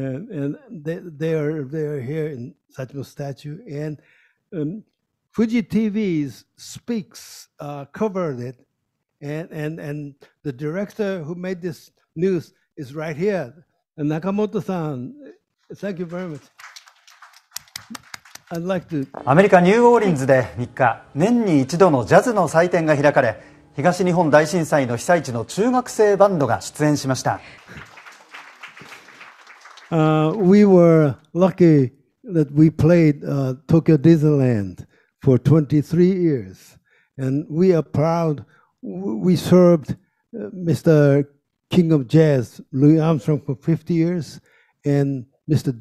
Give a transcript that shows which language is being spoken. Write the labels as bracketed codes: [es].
[en] And they are here in Satchmmo's statue. And Fuji TV's Speaks covered it. And the director who made this news is right here, Nakamoto-san. Thank you very much. I'd like to... [ja] アメリカニューオーリンズで3日、年に一度のジャズの祭典が開かれ、東日本大震災の被災地の中学生バンドが出演しました。 [en] We were lucky that we played Tokyo Disneyland for 23 years, and we are proud we served Mr. King of Jazz, Louis Armstrong, for 50 years, and Mr.